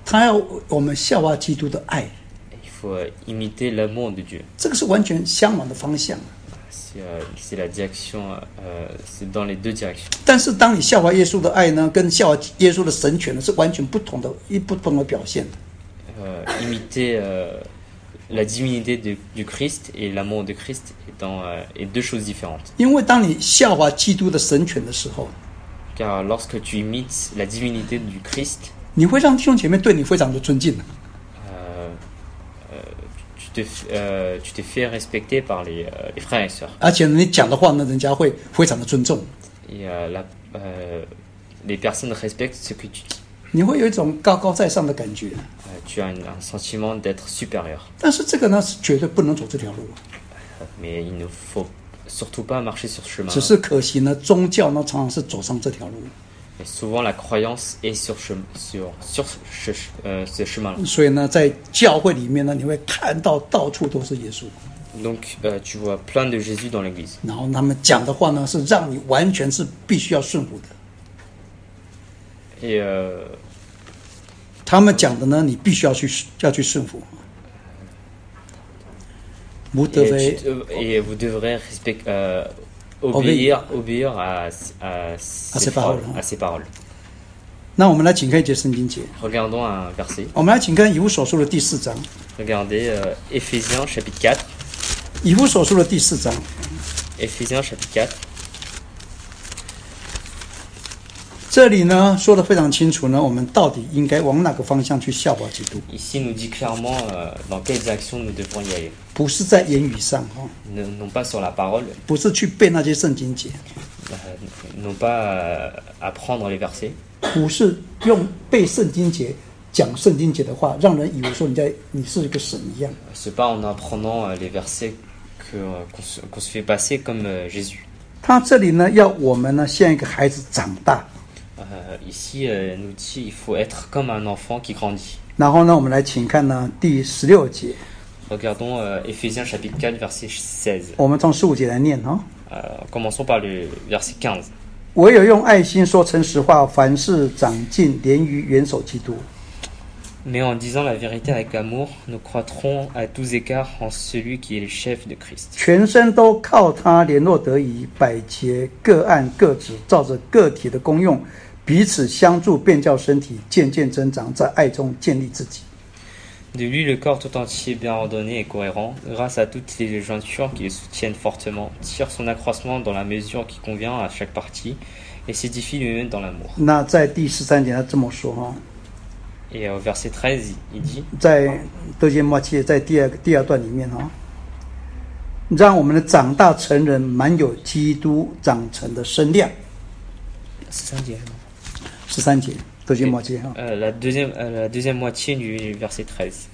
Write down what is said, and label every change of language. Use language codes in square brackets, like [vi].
[zh] 他要我们效法基督的爱。 [fr] Il faut imiter l'amour de Dieu. [zh] 这个是完全相反的方向。 [fr] C'est la direction, c'est dans les deux directions. [zh] 但是当你效法耶稣的爱呢，跟效法耶稣的神权呢，是完全不同的一不同的表现的。 [fr] Imiter la divinité du Christ et l'amour de Christ est deux choses différentes. [zh] 因为当你效法基督的神权的时候 [fr] ，car lorsque tu imites la divinité du Christ， [zh] 你会让弟兄姐妹对你非常的尊敬。 [fr] Tu te fais respecter par les frères et sœurs. [zh] 而且你讲的话呢，人家会非常的尊重。 [fr] Les personnes respectent ce que tu dis. [zh] 你会有一种高高在上的感觉。 [fr] Tu as un sentiment d'être supérieur. [zh] 但是这个呢，是绝对不能走这条路。 [fr] Mais il ne faut surtout pas marcher sur ce chemin. [zh] 只是可惜呢，宗教呢常常是走上这条路。 [fr] Et souvent la croyance est sur ce chemin. [zh] 所以呢，在教会里面呢，你会看到到处都是耶稣。 [fr] Donc, tu vois plein de Jésus dans l'église. [zh] 然后他们讲的话呢，是让你完全是必须要顺服的。他们讲的呢，你必须要去顺服。 [fr] Vous devrez respecter. Obéir à ses paroles. [zh] 那我们来请看一节圣经节。 [fr] Regardons un verset. [zh] 我们来请看以弗所书的第四章。 [fr] Regardez Ephésiens chapitre 4. [zh] 以弗所书的第四章。 [fr] Ephésiens chapitre 4. [zh] 这里呢说的非常清楚呢，我们到底应该往哪个方向去效法基督。 [fr] Ici nous dit clairement dans quelle direction nous devons y aller。 [zh] 不是在言语上哈。 [fr] Non pas sur la parole。 [zh] 不是去背那些圣经节。 [fr] Non pas apprendre les versets。 [zh] 不是用背圣经节讲圣经节的话，让人以为说你是一个神一样。 [fr] C'est pas en apprenant les versets qu'on se fait passer comme Jésus。 [zh] 他这里呢要我们呢像一个孩子长大。 [fr] Ici, nous dit qu'il faut être comme un enfant qui grandit. [zh] 然后呢，我们来请看呢第十六节。 [fr] Regardons Ephésiens chapitre 4, verset 16. [zh] 我们从十五节来念哈。 [fr] Commençons par le verset 15. [zh] 唯有用爱心说诚实话，凡事长进，连于元首基督。 [fr] Mais en disant la vérité avec amour, nous croîtrons à tous égards en celui qui est le chef de Christ. [zh] 全身都靠他联络得宜，百节各按各职，照着个体的功用，彼此相助，便叫身体渐渐增长，在爱中建立自己。 [fr] De lui, le corps tout entier bien ordonné et cohérent, grâce à toutes les jointures qui le soutiennent fortement, tire son accroissement dans la mesure qui convient à chaque partie et s'édifie lui-même dans l'amour. [zh] 那在第十三节，他这么说哈。 [fr] Et au verset 13, il dit [zh] 在德杰末期，在第二段里面哈，让我们的长大成人满有基督长成的身量。十三节。十三节，德杰末期哈。 [fr] La deuxième moitié du verset 13.